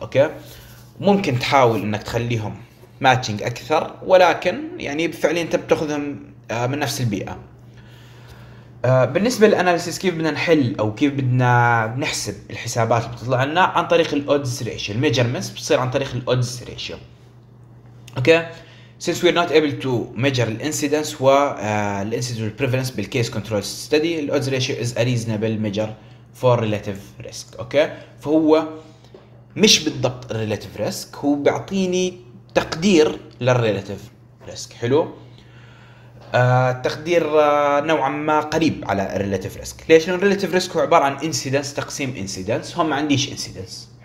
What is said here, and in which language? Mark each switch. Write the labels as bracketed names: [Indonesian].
[Arabic] اوكي، ممكن تحاول انك تخليهم ماتشنج اكثر، ولكن يعني فعليا انت بتاخذهم من نفس البيئه. بالنسبه للاناليسيس، كيف بدنا نحل او كيف بدنا نحسب الحسابات اللي بتطلع لنا؟ عن طريق الاودز ريشيو. الميجرمنتس بتصير عن طريق الاودز ريشيو. [English] Okay, since we're not able to measure the incidence و the incidence prevalence بال case control study, the odds ratio is a reasonable measure for relative risk. [Arabic] okay، فهو مش بالضبط relative risk، هو بيعطيني تقدير لل relative risk. حلو، تقدير نوعا ما قريب على relative risk. ليش؟ لأن relative risk هو عبارة عن incidence تقسيم incidence، هم ما عنديش incidence.